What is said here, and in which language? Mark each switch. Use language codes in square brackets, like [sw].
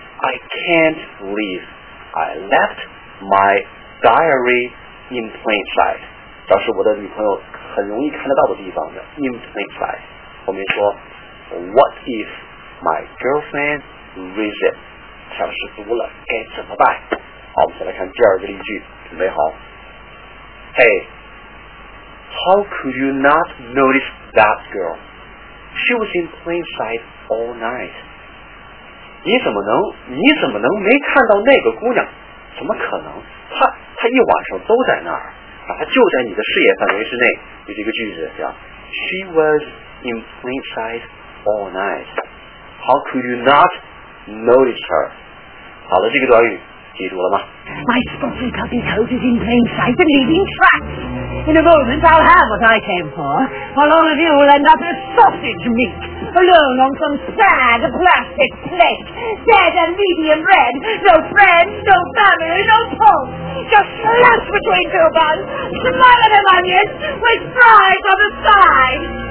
[en] I can't believe I left my diary in plain sight. [zh] 表示我的女朋友很容易看得到的地方的 in plain sight. 后面说 [en] What if my girlfriend reads it? [zh] 她要是读了该怎么办？好，我们再来看第二个例句，准备好。 [en] Hey, how could you not notice that girl? She was in plain sight all night. [zh] 你怎么能没看到那个姑娘？怎么可能？她一晚上都在那儿，她就在你的视野范围之内。有这个句子叫 [en] She was in plain sight all night. How could you not notice her? [zh] 好了，这个短语记住了吗？ [en] My spotted puppy coat is in plain sight and leaving tracks. In a moment, I'll have what I came for, while all of you will end up as sausage meat, alone on some sad plastic plate, dead and medium red, no friends, no family, no pulse, just slouch between two buns, smothered in onions, with fries on the side.